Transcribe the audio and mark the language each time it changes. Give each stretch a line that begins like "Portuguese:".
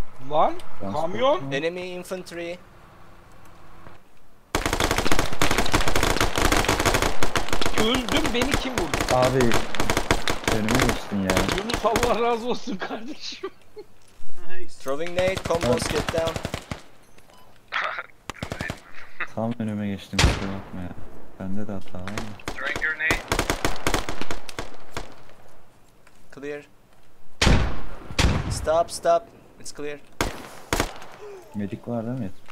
Turkish: Lan kamyon.
English: Enemy infantry.
Turkish: Öldüm, beni kim vurdu? Abi. Önüme geçtin ya. Yunus, Allah razı olsun kardeşim.
English: Throwing nade, combos get down.
Turkish: Tam önüme geçtim, kusura bakma ya. Bende de hata var mı?
English: Throwing grenade. Clear. Stop. It's clear.
Turkish: Medik var değil mi?